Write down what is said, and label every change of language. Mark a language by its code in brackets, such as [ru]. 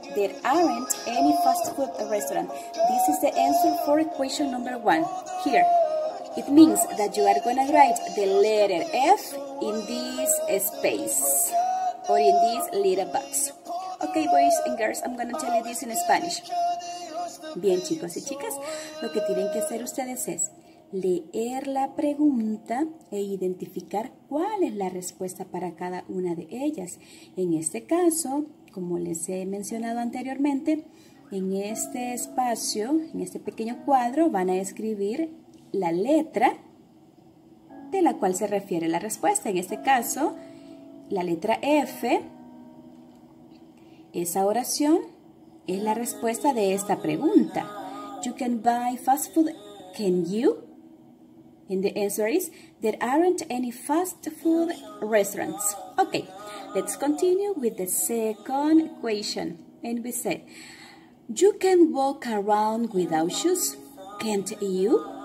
[en] There aren't any fast food restaurant. This is the answer for question number one. Here, it means that you are going to write the letter F in this space or in this little box. Okay, boys and girls, I'm going to tell you this in Spanish. [es] Bien, chicos y chicas, lo que tienen que hacer ustedes es leer la pregunta e identificar cuál es la respuesta para cada una de ellas. En este caso, como les he mencionado anteriormente, en este espacio, en este pequeño cuadro, van a escribir la letra de la cual se refiere la respuesta. En este caso, la letra F, esa oración, es la respuesta de esta pregunta. [en] You can buy fast food, can you? And the answer is, there aren't any fast food restaurants. Okay, let's continue with the second question. And we say, you can walk around without shoes, can't you?